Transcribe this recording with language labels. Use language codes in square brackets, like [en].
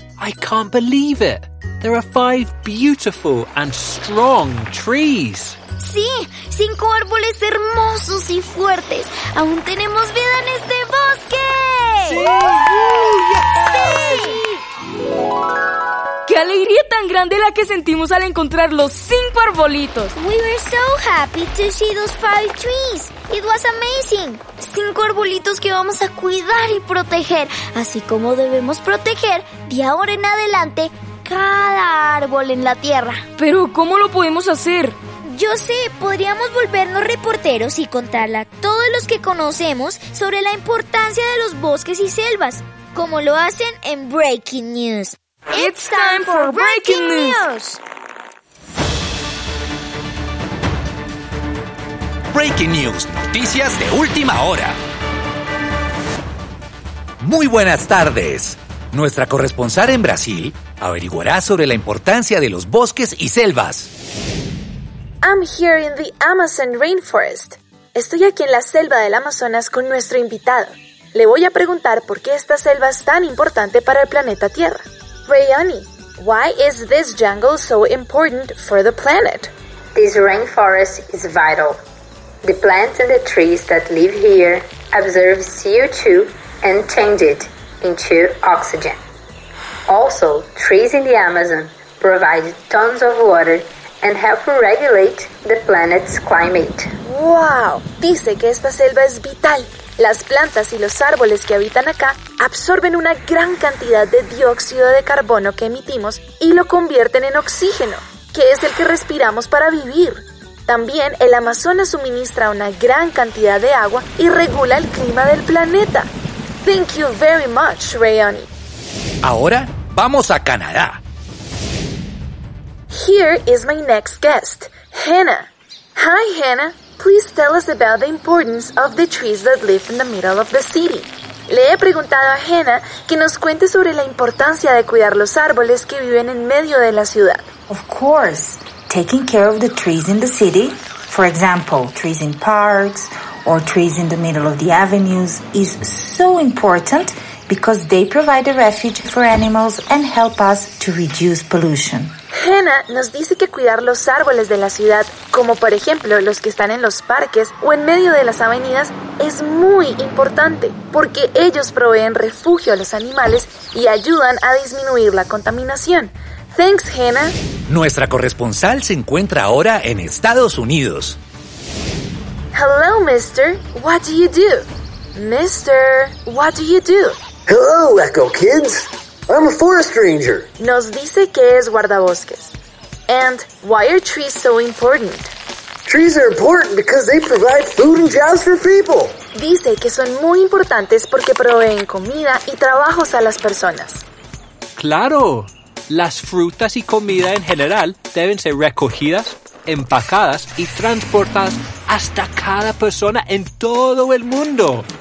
[en] I can't believe it. There are 5 beautiful and strong trees. [es] Sí, 5 árboles hermosos y fuertes. Aún tenemos vida en este bosque. ¡Sí! ¡Qué alegría tan grande la que sentimos al encontrar los 5 arbolitos! [en] We were so happy to see those 5 trees. It was amazing. [es] 5 arbolitos que vamos a cuidar y proteger, así como debemos proteger de ahora en adelante cada árbol en la tierra. ¿Pero cómo lo podemos hacer? Yo sé, podríamos volvernos reporteros y contarle a todos los que conocemos sobre la importancia de los bosques y selvas, como lo hacen en Breaking News. [en] It's time for Breaking News. [es] Breaking News, noticias de última hora. Muy buenas tardes. Nuestra corresponsal en Brasil averiguará sobre la importancia de los bosques y selvas. [en] I'm here in the Amazon rainforest. [es] Estoy aquí en la selva del Amazonas con nuestro invitado. Le voy a preguntar por qué esta selva es tan importante para el planeta Tierra. [en] Rayani, why is this jungle so important for the planet? This rainforest is vital. The plants and the trees that live here absorb CO2 and change it into oxygen. Also, trees in the Amazon provide tons of water and help regulate the planet's climate. [es] Wow! Dice que esta selva es vital. Las plantas y los árboles que habitan acá absorben una gran cantidad de dióxido de carbono que emitimos y lo convierten en oxígeno, que es el que respiramos para vivir. También el Amazonas suministra una gran cantidad de agua y regula el clima del planeta. [en] Thank you very much, Rayani. [es] Ahora vamos a Canadá. [en] Here is my next guest, Hannah. Hi, Hannah. Please tell us about the importance of the trees that live in the middle of the city. [es] Le he preguntado a Hannah que nos cuente sobre la importancia de cuidar los árboles que viven en medio de la ciudad. [en] Of course, taking care of the trees in the city, for example, trees in parks or trees in the middle of the avenues, is so important because they provide a refuge for animals and help us to reduce pollution. [es] Hannah nos dice que cuidar los árboles de la ciudad, como por ejemplo los que están en los parques o en medio de las avenidas, es muy importante porque ellos proveen refugio a los animales y ayudan a disminuir la contaminación. [en] Thanks, Hannah. [es] Nuestra corresponsal se encuentra ahora en Estados Unidos. [en] Hello, mister. What do you do? Mister, what do you do? Hello, Echo Kids. I'm a forest ranger. [es] Nos dice que es guardabosques. [en] And why are trees so important? Trees are important because they provide food and jobs for people. [es] Dice que son muy importantes porque proveen comida y trabajos a las personas. ¡Claro! Las frutas y comida en general deben ser recogidas, empacadas y transportadas hasta cada persona en todo el mundo.